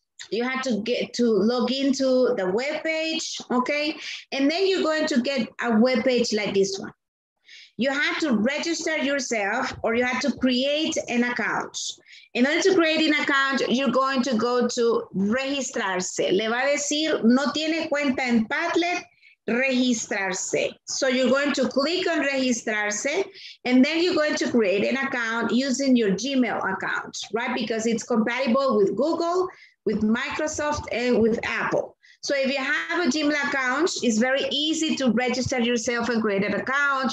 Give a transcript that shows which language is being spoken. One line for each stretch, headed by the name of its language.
English: You have to get to log into the web page, okay? And then you're going to get a web page like this one. You have to register yourself or you have to create an account. In order to create an account, you're going to go to registrarse.
Spanish: Le va a decir, no tiene cuenta en Padlet. Registrarse.
English: So you're going to click on registrarse and then you're going to create an account using your Gmail account, right? Because it's compatible with Google, with Microsoft, and with Apple. So if you have a Gmail account, it's very easy to register yourself and create an account.